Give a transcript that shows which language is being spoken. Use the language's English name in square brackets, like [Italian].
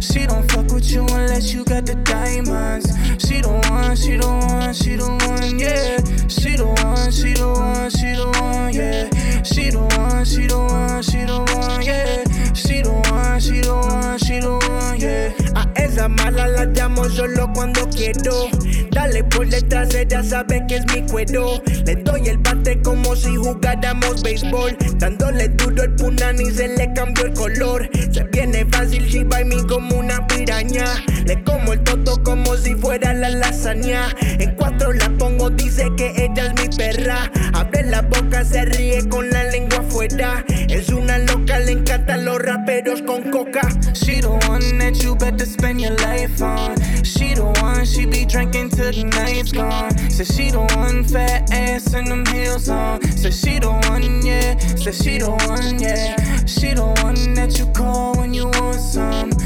[English] She don't fuck with you unless you got the diamonds. She the one, she the one, she the one, yeah. She the one, she the one, she the one, yeah. She the one, she the one, she the one, yeah. She the one, she the one, she the one, yeah. [Spanish] A esa mala la llamo solo cuando quiero. Dale por detrás, ella sabe que es mi cuero. Le doy el bate como si jugáramos béisbol. Dándole duro el punani, se le cambió el color. Se viene fácil, [English] she by me [Spanish] como una piraña. Le como el toto como si fuera la lasaña. En cuatro la pongo, dice que ella es mi perra. Abre la boca, se ríe con la lengua afuera. Es una loca, le encantan los raperos con coca. [English] She the one that you better spend your life on. She the one, she be drinking till the night's gone. Say she the one, fat ass in them heels on. Say she the one, yeah. Say she the one, yeah. She the one that you call when you want some.